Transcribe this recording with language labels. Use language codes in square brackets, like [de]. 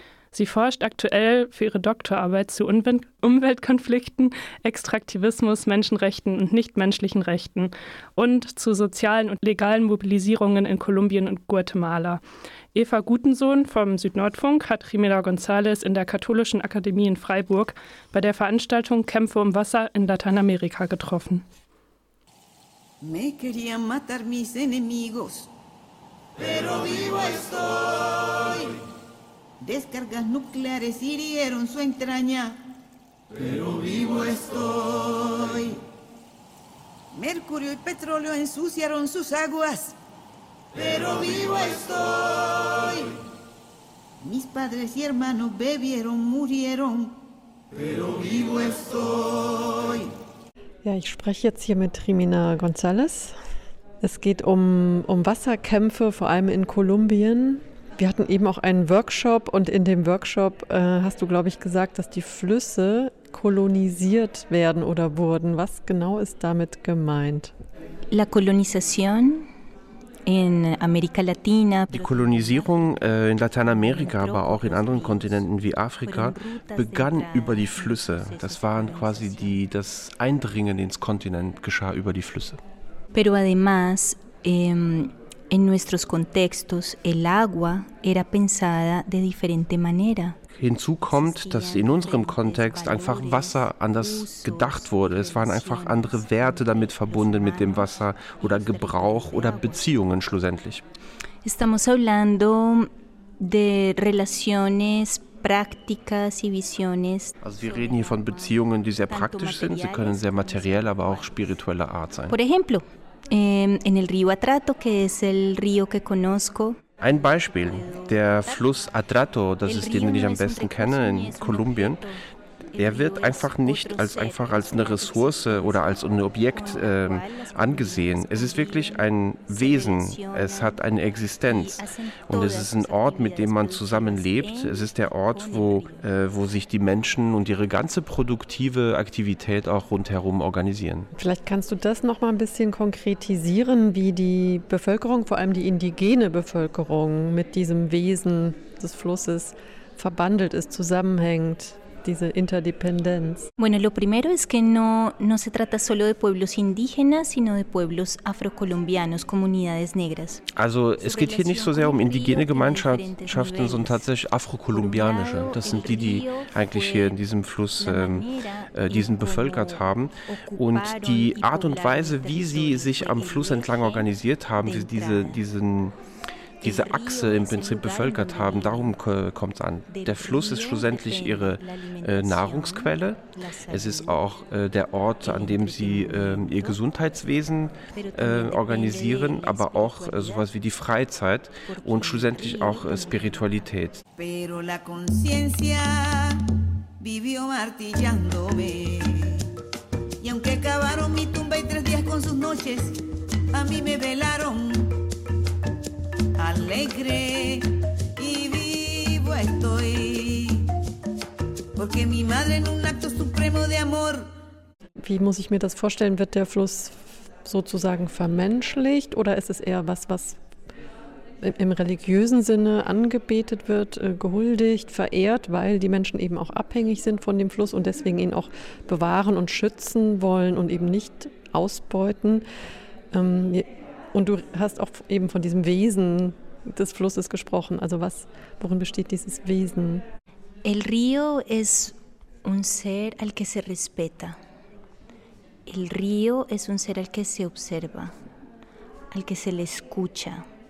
[de] Sie forscht aktuell für ihre Doktorarbeit zu Umweltkonflikten, Extraktivismus, Menschenrechten und nichtmenschlichen Rechten und zu sozialen und legalen Mobilisierungen in Kolumbien und Guatemala. Eva Gutensohn vom Südnordfunk hat Jimena González in der Katholischen Akademie in Freiburg bei der Veranstaltung Kämpfe um Wasser in Lateinamerika getroffen. [es] Me querían matar mis enemigos, pero vivo estoy. Descargas nucleares hirieron su entraña, pero vivo estoy. Mercurio y petróleo ensuciaron sus aguas, pero vivo estoy. Mis padres y hermanos bebieron, murieron, pero vivo estoy. [de] Ja, ich spreche jetzt hier mit Jimena González. Es geht um Wasserkämpfe, vor allem in Kolumbien. Wir hatten eben auch einen Workshop und in dem Workshop hast du, glaube ich, gesagt, dass die Flüsse kolonisiert werden oder wurden. Was genau ist damit gemeint? [es] La colonización en América Latina. [de] Die Kolonisierung in Lateinamerika, aber auch in anderen Kontinenten wie Afrika, begann über die Flüsse. Das waren quasi das Eindringen ins Kontinent geschah über die Flüsse. [es] Pero además en nuestros contextos el agua era pensada de diferente manera. [de] Hinzu kommt, dass in unserem Kontext einfach Wasser anders gedacht wurde. Es waren einfach andere Werte damit verbunden mit dem Wasser oder Gebrauch oder Beziehungen schlussendlich. [es] Estamos hablando de relaciones prácticas y visiones. [de] Also wir reden hier von Beziehungen, die sehr praktisch sind. Sie können sehr materiell, aber auch spiritueller Art sein. [es] Por ejemplo, en el río Atrato, que es el río que conozco. [de] Ein Beispiel, der Fluss Atrato, das ist den, den ich am besten kenne in Kolumbien, der wird einfach nicht als einfach als eine Ressource oder als ein Objekt angesehen. Es ist wirklich ein Wesen, es hat eine Existenz und es ist ein Ort, mit dem man zusammenlebt. Es ist der Ort, wo sich die Menschen und ihre ganze produktive Aktivität auch rundherum organisieren. Vielleicht kannst du das noch mal ein bisschen konkretisieren, wie die Bevölkerung, vor allem die indigene Bevölkerung, mit diesem Wesen des Flusses verbandelt ist, zusammenhängt. diese Interdependenz? [es] Bueno, lo primero es que no se trata solo de pueblos indígenas, sino de pueblos afrocolombianos, comunidades negras. [de] Also, es geht hier nicht so sehr um indigene Gemeinschaften, sondern tatsächlich afrokolumbianische. Das sind die, die eigentlich hier in diesem Fluss diesen bevölkert haben. Und die Art und Weise, wie sie sich am Fluss entlang organisiert haben, wie sie diese Achse im Prinzip bevölkert haben, darum kommt es an. Der Fluss ist schlussendlich ihre Nahrungsquelle. Es ist auch der Ort, an dem sie ihr Gesundheitswesen organisieren, aber auch sowas wie die Freizeit und schlussendlich auch Spiritualität. [es] Pero la conciencia vivió martillándome. Y aunque cavaron mi tumba y tres días con sus noches, a mí me velaron. Alegre y vivo estoy, porque mi madre en un acto supremo de amor. [de] Wie muss ich mir das vorstellen? Wird der Fluss sozusagen vermenschlicht oder ist es eher was im religiösen Sinne angebetet wird, gehuldigt, verehrt, weil die Menschen eben auch abhängig sind von dem Fluss und deswegen ihn auch bewahren und schützen wollen und eben nicht ausbeuten? Und du hast auch eben von diesem Wesen des Flusses gesprochen. Also worin besteht dieses Wesen? [es] El río es un ser al que se respeta. El río es un ser al que se observa, al que se le escucha.